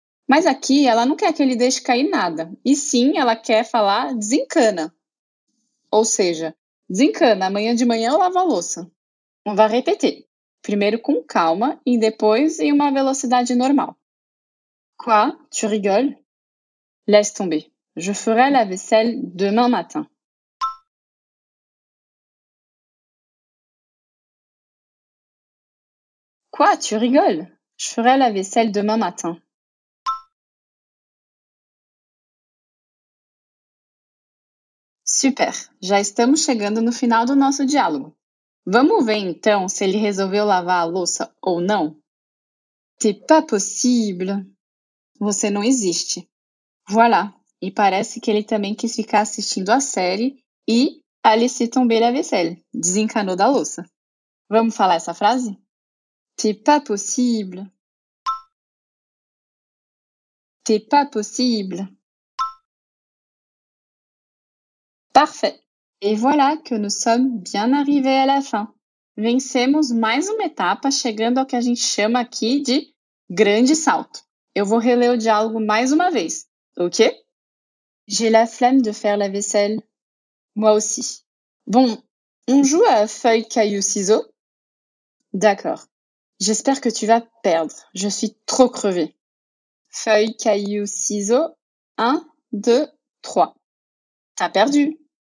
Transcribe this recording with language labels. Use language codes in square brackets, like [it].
[pt] Mas aqui ela não quer que ele deixe cair nada. E sim, ela quer falar desencana. Ou seja, desencana, amanhã de manhã eu lavo a louça. Vai repetir. Primeiro com calma e depois em uma velocidade normal. [fr] Quoi? Tu rigoles? Laisse tomber. Je ferai la vaisselle demain matin. Quoi, tu rigoles? Je ferai la vaisselle demain matin. [pt] Super, já estamos chegando no final do nosso diálogo. Vamos ver então se ele resolveu lavar a louça ou não? [fr] C'est pas possible. [pt] Você não existe. Voilà, e parece que ele também quis ficar assistindo a série e a [fr] laisser tomber la vaisselle, [pt] desencanou da louça. Vamos falar essa frase? [fr] T'es pas possible. T'es pas possible. Parfait. Et voilà que nous sommes bien arrivés à la fin. [pt] Vencemos mais uma etapa chegando ao que a gente chama aqui de grande salto. Eu vou reler o diálogo mais uma vez. Ok? [fr] J'ai la flemme de faire la vaisselle. Moi aussi. Bon, on joue à feuille, caillou, ciseaux? D'accord. J'espère que tu vas perdre. Je suis trop crevée. Feuille, caillou, ciseaux. 1, 2, 3. T'as perdu.